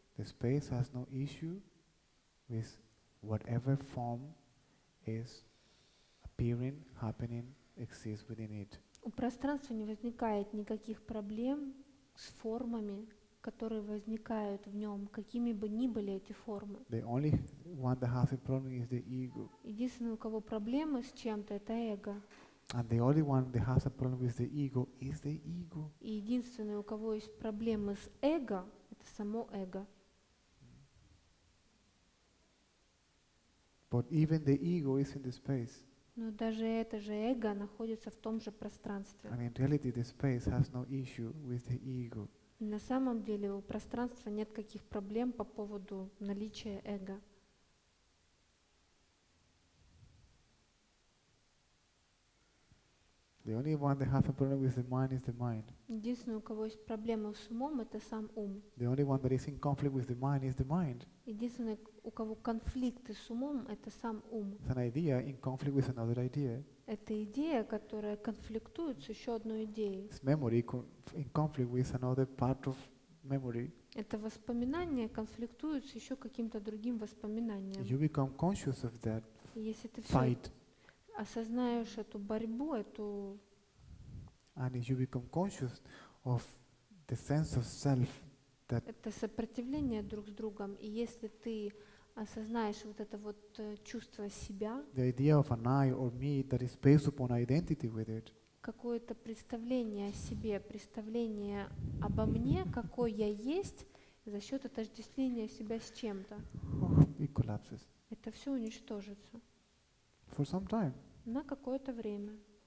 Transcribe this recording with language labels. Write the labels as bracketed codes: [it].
[en] The space has no issue with whatever form is appearing, happening, exists within it. [ru] У пространства не возникает никаких проблем с формами, которые возникают в нем, какими бы ни были эти формы. [en] The only one that has a problem is the ego. [ru] Единственное, у кого проблемы с чем-то, это эго. [en] And the only one that has a problem with the ego is the ego. [ru] И единственное, у кого есть проблемы с эго, это само эго. [en] But even the ego is in the space. [ru] Но даже это же эго находится в том же пространстве. [en] And in reality, the space has no issue with the ego. [ru] И на самом деле у пространства нет каких проблем по поводу наличия эго. [en] The only one that has a problem with the mind is the mind. [ru] Единственное, у кого есть проблемы с умом, это сам ум. [en] The only one that is in conflict with the mind is the mind. [ru] Единственное, у кого конфликты с умом, это сам ум. [en] It's an idea in conflict with another idea. [ru] Это идея, которая конфликтует с еще одной идеей. [en] It's memory in conflict with another part of memory. [ru] Это воспоминание конфликтует с еще каким-то другим воспоминанием. [en] You become conscious of that fight. [ru] Осознаешь эту борьбу, эту... [en] And if you become conscious of the sense of self that... [ru] Это сопротивление друг с другом. И если ты осознаешь вот это вот чувство себя... [en] The idea of an I or me that is based upon identity with it. [ru] Какое-то представление о себе, представление обо мне, какой я есть, за счет отождествления себя с чем-то. [en] It collapses. [ru] Это все уничтожится. [en] For some time. [ru] На какое-то время.